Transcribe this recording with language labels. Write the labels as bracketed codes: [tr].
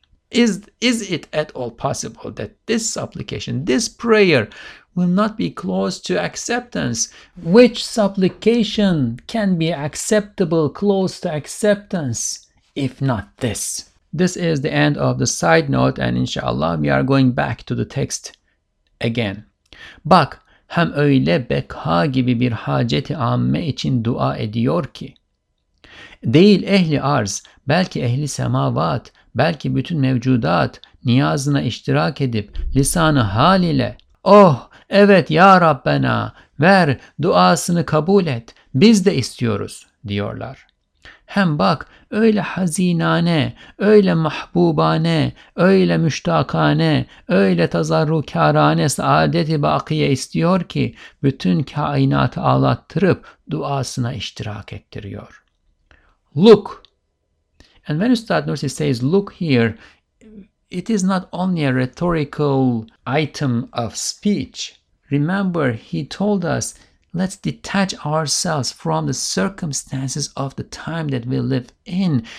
[en] Is it at all possible that this supplication, this prayer, will not be close to acceptance? Which supplication can be acceptable, close to acceptance, if not this? This is the end of the side note, and inshallah we are going back to the text again. [tr] Bak, hem öyle bekha gibi bir haceti amme için dua ediyor ki, değil ehli arz, belki ehli semavat, belki bütün mevcudat niyazına iştirak edip lisan-ı hal ile, oh evet ya Rabbena, ver duasını kabul et, biz de istiyoruz diyorlar. Hem bak öyle hazinane, öyle mahbubane, öyle müştakane, öyle tazarrukarane saadet-i bakiye istiyor ki bütün kainatı ağlattırıp duasına iştirak ettiriyor. [en] Look. And when Üstad Nursi says look here, it is not only a rhetorical item of speech. Remember, he told us, let's detach ourselves from the circumstances of the time that we live in.